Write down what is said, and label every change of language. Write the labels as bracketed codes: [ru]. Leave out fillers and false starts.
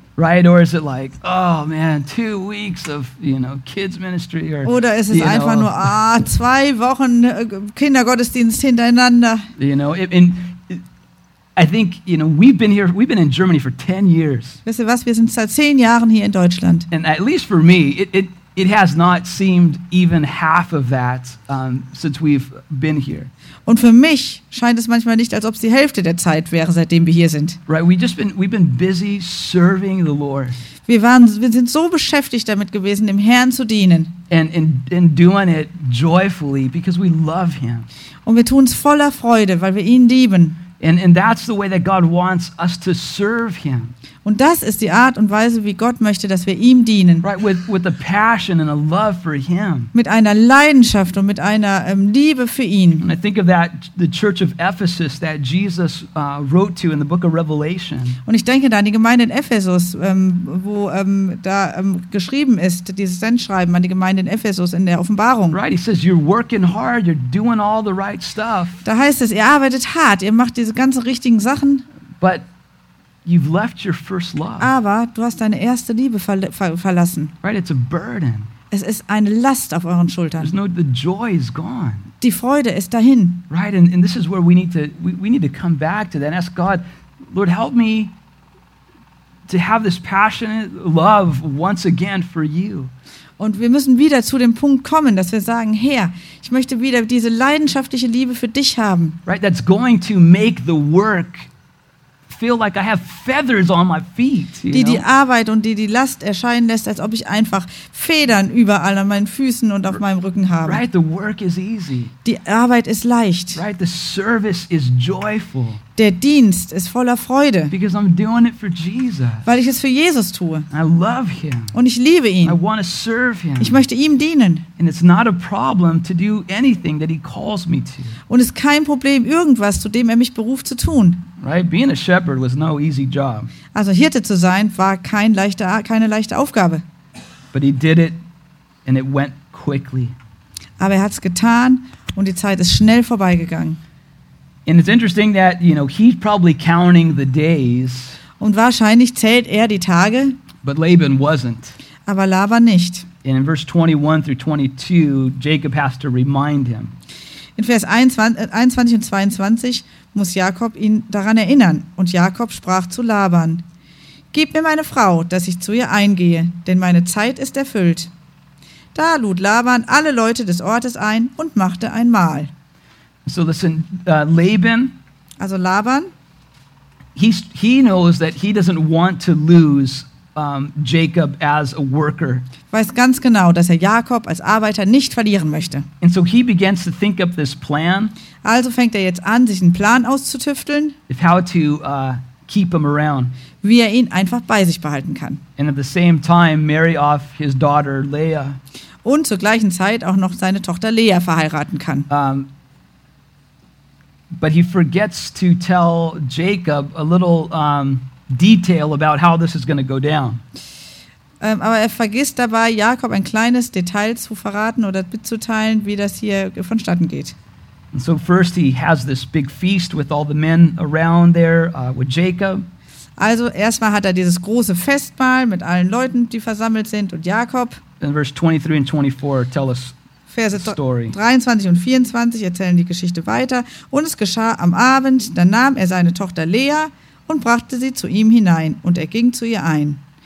[en] Right, or is it like, oh man, 2 weeks of, you know, kids ministry? Or, [de] oder ist es einfach nur, 2 Wochen Kindergottesdienst hintereinander? [en] You know, I think, you know, we've been in Germany for 10 years. [de] Wisst ihr was, wir sind seit 10 Jahren hier in Deutschland. [en] And at least for me, it has not seemed even half of that since we've been here. [de] Und für mich scheint es manchmal nicht, als ob es die Hälfte der Zeit wäre, seitdem wir hier sind. [en] Right, we've been busy serving the Lord. [de] Wir sind so beschäftigt damit gewesen, dem Herrn zu dienen. [en] And doing it joyfully because we love him. [de] Und wir tun es voller Freude, weil wir ihn lieben. [en] And that's the way that God wants us to serve him. [de] Und das ist die Art und Weise, wie Gott möchte, dass wir ihm dienen. [en] Right, with a passion and a love for him. [de] Mit einer Leidenschaft und mit einer Liebe für ihn. [en] And I think of that, the church of Ephesus that Jesus wrote to in the book of Revelation. [de] Und ich denke da an die Gemeinde in Ephesus, wo da geschrieben ist, dieses Sendschreiben an die Gemeinde in Ephesus in der Offenbarung. [en] Right, he says, you're working hard, you're doing all the right stuff. [de] Da heißt es, ihr arbeitet hart, ihr macht diese ganzen richtigen Sachen. [en] But you've left your first love. [de] Aber du hast deine erste Liebe verlassen. [en] Right, it's a burden. [de] Es ist eine Last auf euren Schultern. [en] There's no, the joy is gone. [de] Die Freude ist dahin. [en] Right, and this is where we need to come back to that and ask God, Lord, help me to have this passionate love once again for you. [de] Und wir müssen wieder zu dem Punkt kommen, dass wir sagen, Herr, ich möchte wieder diese leidenschaftliche Liebe für dich haben. [en] Right, that's going to make the work feel like I have feathers on my feet, you die know? [de] Arbeit und die Last erscheinen lässt, als ob ich einfach Federn überall an meinen Füßen und auf meinem Rücken habe. [en] Right, the work is easy. [de] Die Arbeit ist leicht. [en] Right, the service is joyful. [de] Der Dienst ist voller Freude. [en] Because I'm doing it for Jesus. [de] Weil ich es für Jesus tue. [en] I love him. [de] Und ich liebe ihn. [en] I want to serve him. [de] Ich möchte ihm dienen. [en] And it's not a problem to do anything that he calls me to. [de] Und es ist kein Problem, irgendwas, zu dem er mich beruft, zu tun. [en] Right, being a shepherd was no easy job. [de] Also Hirte zu sein war keine leichte Aufgabe. [en] But he did it and it went quickly. [de] Aber er hat es getan und die Zeit ist schnell vorbeigegangen. [en] And it's interesting that, you know, he's probably counting the days. [de] Und wahrscheinlich zählt er die Tage. [en] But Laban wasn't. [de] Aber Laban nicht. [en] And in verse 21 through 22, Jacob has to remind him. [de] In Vers 21 und 22 muss Jakob ihn daran erinnern. Und Jakob sprach zu Laban: Gib mir meine Frau, dass ich zu ihr eingehe, denn meine Zeit ist erfüllt. Da lud Laban alle Leute des Ortes ein und machte ein Mahl. [en] So listen, Laban. [de] Also Laban. [en] He knows that he doesn't want to lose Jacob as a worker. [de] Weiß ganz genau, dass er Jakob als Arbeiter nicht verlieren möchte. [en] And so he begins to think up this plan. [de] Also fängt er jetzt an, sich einen Plan auszutüfteln. [en] If how to keep him around. [de] Wie er ihn einfach bei sich behalten kann. [en] And at the same time marry off his daughter Leah. [de] Und zur gleichen Zeit auch noch seine Tochter Leah verheiraten kann. [en] But he forgets to tell Jacob a little detail about how this is going to go down. [de] Aber er vergisst dabei, Jakob ein kleines Detail zu verraten oder mitzuteilen, wie das hier vonstatten geht. [en] And so first he has this big feast with all the men around there with Jacob. [de] Also erstmal hat er dieses große Festmahl mit allen Leuten, die versammelt sind, und Jakob. [en] In verse 23 and 24 tell us [de] Verse 23 und 24 erzählen die Geschichte weiter. Und es geschah am Abend, da nahm er seine Tochter Leah und brachte sie zu ihm hinein, und er ging zu ihr ein.